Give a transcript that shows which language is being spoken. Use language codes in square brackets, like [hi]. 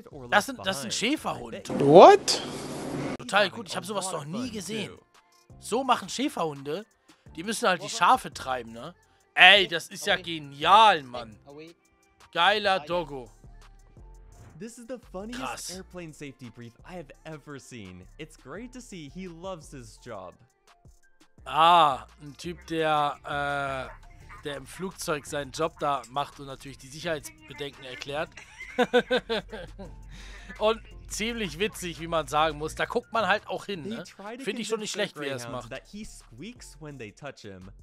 [de] Das ist ein Schäferhund. [en] What? [de] Total gut, ich habe sowas noch nie gesehen. So machen Schäferhunde. Die müssen halt die Schafe treiben, ne? Ey, das ist ja genial, Mann. Geiler Doggo. [en] This is the funniest airplane safety brief I have ever seen. It's great to see he loves his job. [de] Ah, ein Typ, der im Flugzeug seinen Job da macht und natürlich die Sicherheitsbedenken erklärt. Und ziemlich witzig, wie man sagen muss. Da guckt man halt auch hin, ne? Finde ich schon nicht schlecht, wie er es macht. [en] That he squeaks when they touch him.